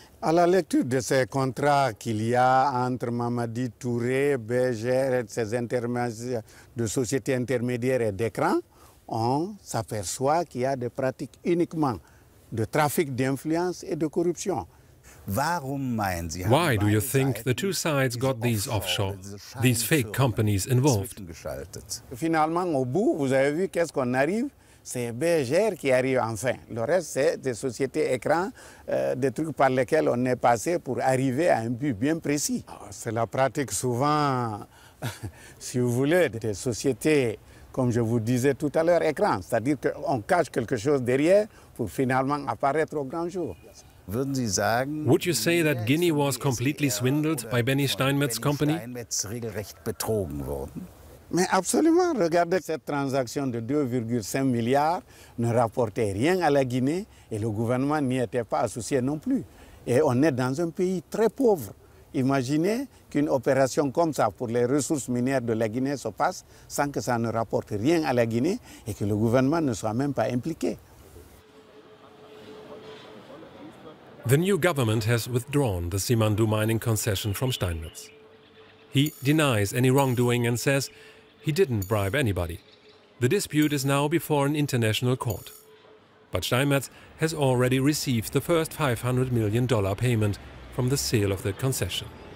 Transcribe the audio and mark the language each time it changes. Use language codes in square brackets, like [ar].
[fr] À la lecture de ces contrats qu'il y a entre Mamadi Touré, Béger et ses intermédiaires de sociétés intermédiaires et d'écran, on s'aperçoit qu'il y a des pratiques uniquement de trafic d'influence et de corruption. [en] Why do you think the two sides got these offshore, these fake companies involved? [fr] Finalement, au bout, vous avez vu qu'est-ce qu'on arrive? C'est Béger qui arrive enfin. Le reste, c'est des sociétés écrans, des trucs par lesquels on est passé pour arriver à un but bien précis. C'est la pratique souvent, si vous voulez, des sociétés, comme je vous disais tout à l'heure, écrans. C'est-à-dire qu'on cache quelque chose derrière pour finalement apparaître au grand jour. [en] Would you say that Guinea was completely swindled by Benny Steinmetz's company? [fr] Mais absolument, regardez cette transaction de 2,5 milliards ne rapportait rien à la Guinée et le gouvernement n'y était pas associé non plus. Et on est dans un pays très pauvre. Imaginez qu'une opération comme ça pour les ressources minières de la Guinée se passe sans que ça ne rapporte rien à la Guinée et que le gouvernement ne soit même pas impliqué. [en] The new government has withdrawn the Simandou mining concession from Steinmetz. He denies any wrongdoing and says he didn't bribe anybody. The dispute is now before an international court. But Steinmetz has already received the first $500 million payment from the sale of the concession.